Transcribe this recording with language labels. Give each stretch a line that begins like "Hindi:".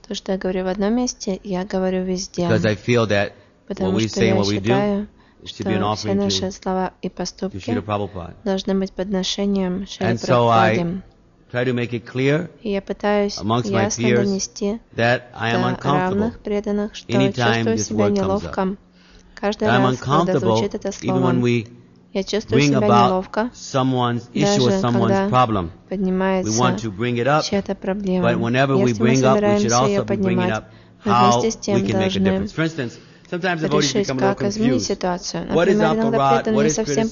Russian: То, что я говорю в одном месте, я говорю везде.
English: Because I feel that what we say and what we do should be an offering to Srila Prabhupada.
Russian: Должны быть подношением Шри
English: Прабхупаде. Try to make it clear amongst my peers that I am uncomfortable anytime this word comes up.
Russian: Каждый раз, когда звучит это слово,
English: even when we bring about someone's issue or someone's problem, we want to bring it up, but whenever we bring up, we should also be bringing up how we can make a difference. For instance, sometimes devotees become a little confused. What is aparad? What is criticism?